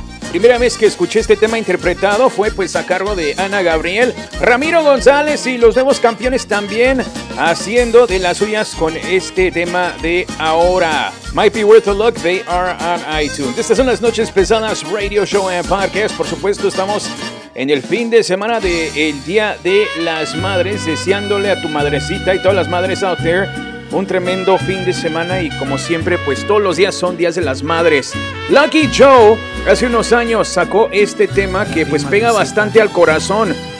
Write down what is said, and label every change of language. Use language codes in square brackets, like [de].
[es] Primera vez que escuché este tema interpretado fue pues a cargo de Ana Gabriel, Ramiro González y los nuevos campeones también haciendo de las suyas con este tema de ahora. [en] Might be worth a look, they are on iTunes. [es] Estas son las Noches Pesadas Radio Show and Podcast. Por supuesto, estamos en el fin de semana del Día de las Madres, deseándole a tu madrecita y todas las madres [en] out there [es] un tremendo fin de semana y como siempre, pues todos los días son Días de las Madres. Lucky Joe hace unos años sacó este tema que pues pega bastante al corazón.